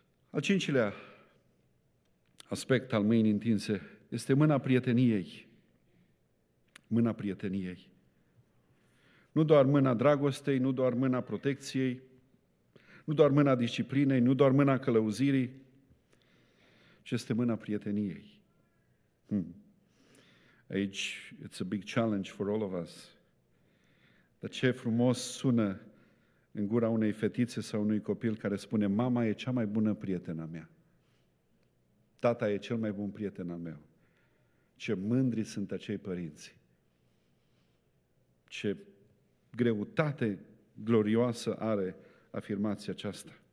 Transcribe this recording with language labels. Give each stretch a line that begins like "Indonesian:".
Romanian: Al cincilea aspect al mâinii întinse este mâna prieteniei. Mâna prieteniei. Nu doar mâna dragostei, nu doar mâna protecției, nu doar mâna disciplinei, nu doar mâna călăuzirii, ci este mâna prieteniei.
English: Aici, it's a big challenge for all of us.
Romanian: Dar ce frumos sună în gura unei fetițe sau unui copil care spune, mama e cea mai bună prietena mea. Tata e cel mai bun prieten al meu. Ce mândri sunt acei părinți. Ce greutate glorioasă are afirmația aceasta.